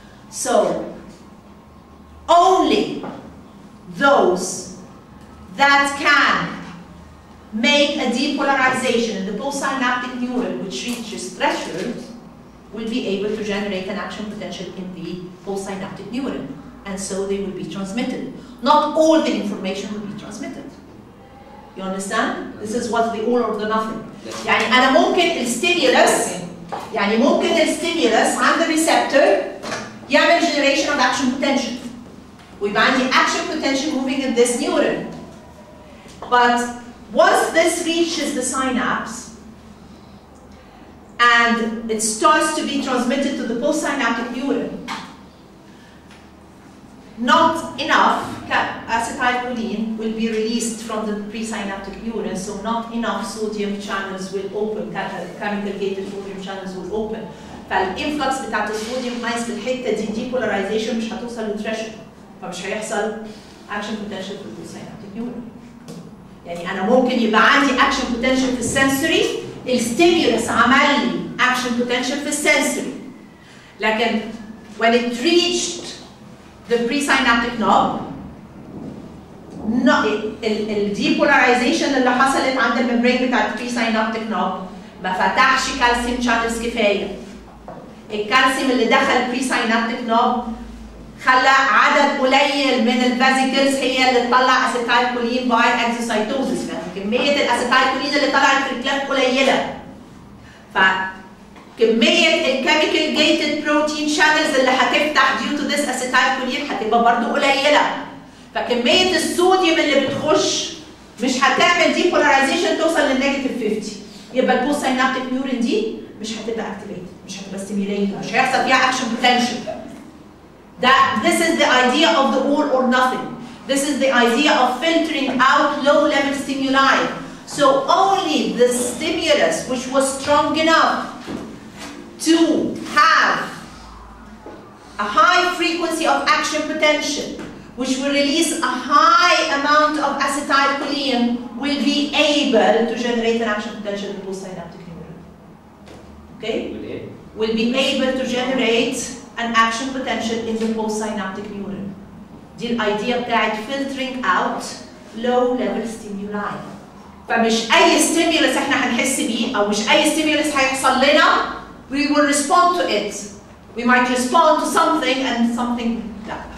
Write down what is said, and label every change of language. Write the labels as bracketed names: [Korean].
[English] So only those that can make a depolarization in the postsynaptic neuron which reaches threshold will be able to generate an action potential in the postsynaptic neuron. And so they will be transmitted. Not all the information will be transmitted. You understand? This is what the all or the nothing. [Arabic] يعني أنا ممكن الستيمولس يعني ممكن الستيمولس عند الريسبتور يعمل [English] generation of action potential [Arabic] ويبقى عندي [English] action potential moving in this neuron. But once this reaches the synapse and it starts to be transmitted to the postsynaptic neuron, not enough acetylcholine will be released from the presynaptic neuron, so not enough sodium channels will open, chemical gated sodium channels will open. [Arabic] فالإنفلاكس بتاعة السوديوم هايز في الحتة دي depolarization مش هتوصل للثريشولد فمش هيحصل action potential في البوسينابتيك نيورون. يعني أنا ممكن يبقى عندي action potential في السنسوري، الستيمولس عمل لي action potential في السنسوري. لكن [English] when it reached the presynaptic knob [Arabic] ال depolarization اللي حصلت عند الممبرين بتاع presynaptic knob ما فتحش calcium channels كفاية. الكالسيوم اللي دخل presynaptic knob خلى عدد قليل من الفازيكلز هي اللي تطلع acetylcholine by exocytosis، فكمية الacetylcholine اللي طلعت في الكلاف قليلة. فكمية الكيميكال جيتد بروتين شانلز اللي هتفتح [English] due to this acetylcholine [Arabic] هتبقى برضه قليلة. فكمية الصوديوم اللي بتخش مش هتعمل depolarization توصل للنيجاتيف 50. يبقى البوستسينابتيك نيورون دي مش هتبقى اكتيفيتد. مش هتبقى ستيميليتد، مش هيحصل فيها action potential. [English] That this is the idea of the all or nothing. This is the idea of filtering out low level stimuli. So only the stimulus which was strong enough to have a high frequency of action potential, which will release a high amount of acetylcholine, will be able to generate an action potential in the postsynaptic neuron. Okay? Will be able to generate an action potential in the postsynaptic neuron. The idea that filtering out low-level stimuli. [Arabic] فمش أي stimulus إحنا هنحس بيه أو مش أي stimulus هيحصل لنا. [English] We will respond to it. We might respond to something and something that.